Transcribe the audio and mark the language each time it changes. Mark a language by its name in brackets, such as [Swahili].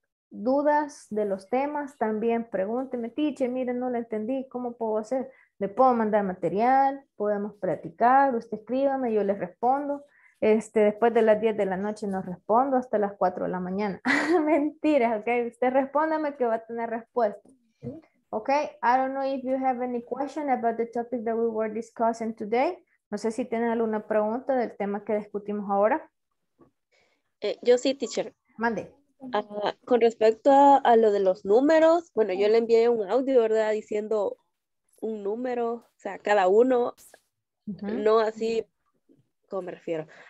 [Spanish] Dudas de los temas, también pregúntenme, teacher, miren, no lo entendí, ¿cómo puedo hacer? Le puedo mandar material, podemos practicar, usted escríbame, yo le respondo. Después de las 10 de la noche no respondo, hasta las 4 de la mañana. Mentiras, ok. Usted respóndame que va a tener respuesta. [English] Ok, I don't know if you have any question about the topic that we were discussing today. [Spanish] No sé si tienen alguna pregunta del tema que discutimos ahora. Yo sí, teacher. Mande. Con respecto a lo de los números, bueno, yo le envié un audio, ¿verdad? Diciendo un número, o sea, cada uno, no así, ¿cómo me refiero?